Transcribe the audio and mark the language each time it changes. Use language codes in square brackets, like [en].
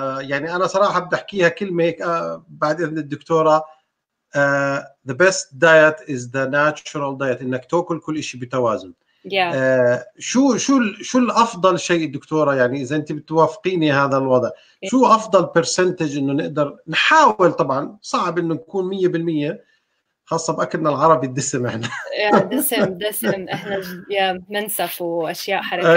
[ar] يعني أنا صراحة بدي أحكيها كلمة هيك بعد إذن الدكتورة. [en] The best diet is the natural diet. [ar] إنك تأكل كل إشي بتوازن. [en] Yeah. [ar] شو الأفضل شيء دكتورة، يعني إذا أنت بتوافقيني هذا الوضع، شو أفضل برسنتج إنه نقدر نحاول؟ طبعا صعب إنه نكون 100% خاصة بأكلنا العربي الدسم إحنا. دسم إحنا منسف وأشياء حركات.